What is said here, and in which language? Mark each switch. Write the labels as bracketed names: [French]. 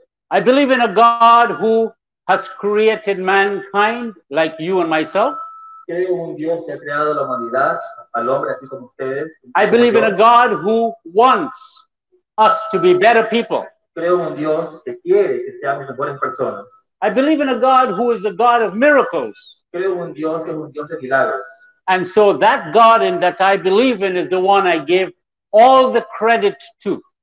[English] I believe in a God who has created mankind like you and myself. I believe in a God who wants us to be better people. [Spanish] Creo en Dios que quiere que seamos mejores personas. [English] I believe in a God who is a God of miracles. [Spanish] Creo en Dios que es un Dios de milagros. [English] And so that God in that I believe in is the one I give all the credit to.